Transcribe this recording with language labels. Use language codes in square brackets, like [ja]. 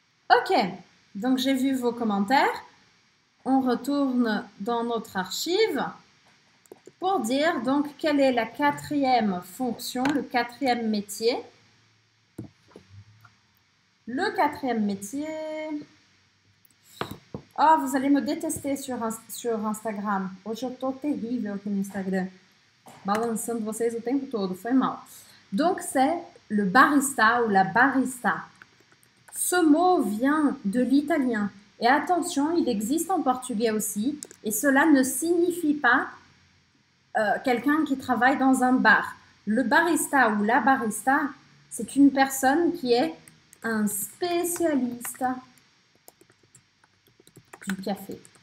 [fr] Ok, donc j'ai vu vos commentaires. On retourne dans notre archive pour dire donc quelle est la quatrième fonction, le quatrième métier. Le quatrième métier. Oh, vous allez me détester sur Instagram. [pt] Hoje eu tô terrível aqui no Instagram. Balançando vocês o tempo todo, foi mal. [fr] Donc c'est le barista ou la barista. Ce mot vient de l'italien et attention, il existe en portugais aussi et cela ne signifie pas quelqu'un qui travaille dans un bar. Le barista ou la barista, c'est une personne qui est un spécialiste du café.